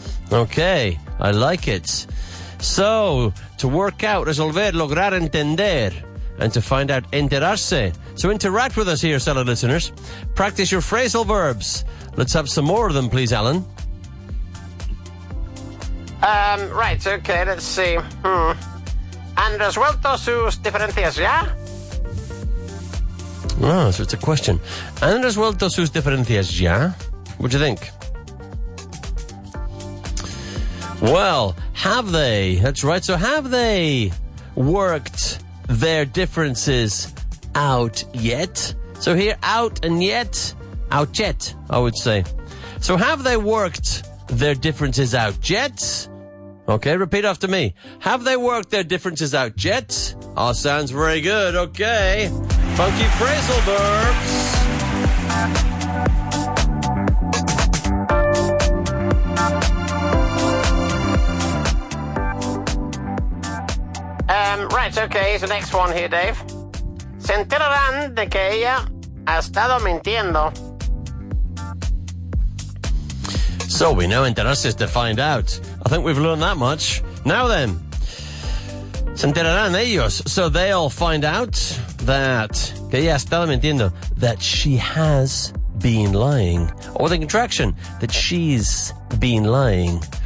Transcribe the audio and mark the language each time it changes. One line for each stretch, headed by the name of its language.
English: Okay, I like it. So, to work out,
Spanish: resolver, lograr entender...
English: And to find out, enterarse. So interact with us here, salad listeners. Practice your phrasal verbs. Let's have some more of them, please, Alan. Right, okay, let's see.
Spanish: ¿Han resuelto sus diferencias ya?
English: Oh, so it's a question.
Spanish: ¿Han resuelto sus diferencias ya?
English: What do you think? Well, have they? That's right, so have they worked... their differences out yet. So here, out and yet, out yet, I would say. So have they worked their differences out yet? Okay, repeat after me. Have they worked their differences out yet? Oh, sounds very good. Okay. Funky phrasal verbs. Right, okay, so next one here, Dave.
Spanish: Se enterarán de que ella ha estado mintiendo.
English: So we know enterarse is to find out. I think we've learned that much. Now then,
Spanish: se enterarán ellos.
English: So they'll find out that
Spanish: que ella ha estado mintiendo,
English: that she has been lying, or the contraction that she's been lying.